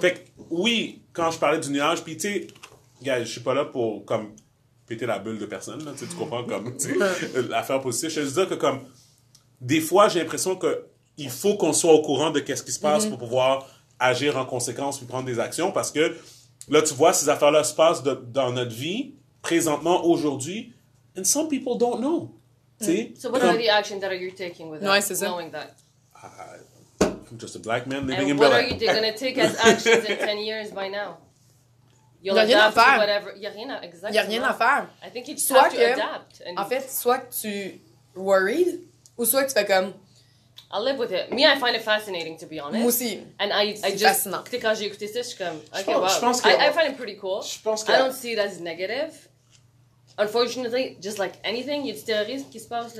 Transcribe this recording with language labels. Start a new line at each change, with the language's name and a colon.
French: Fait que, oui, quand je parlais du nuage, puis tu sais, gars, je suis pas là pour, comme, péter la bulle de personne, là, tu comprends, comme, tu sais, l'affaire positive. Je veux dire que, comme, des fois, j'ai l'impression qu'il faut qu'on soit au courant de qu'est-ce qui se passe pour pouvoir agir en conséquence puis prendre des actions, parce que là, tu vois, ces affaires-là se passent dans notre vie, présentement, aujourd'hui.
English: And some people don't know. Mm. So what are the actions that are you taking with that? No, knowing that? I'm just a black man living in Berlin. What are you going to take as actions in 10 years by now?
French: Il n'y a rien à faire. Il n'y a rien à faire.
English: I think you just soit have to adapt. And...
French: En fait, soit que tu worried, ou soit que tu fais comme...
English: I live with it. Me, I find it fascinating, to be honest.
French: Moi aussi.
English: And I just, fascinant.
French: Quand j'ai écouté ça, je suis comme, OK, wow.
English: I find it pretty cool.
French: Je pense que...
English: I don't see it as negative. Unfortunately, just like anything,
French: il y a du terrorisme qui se passe.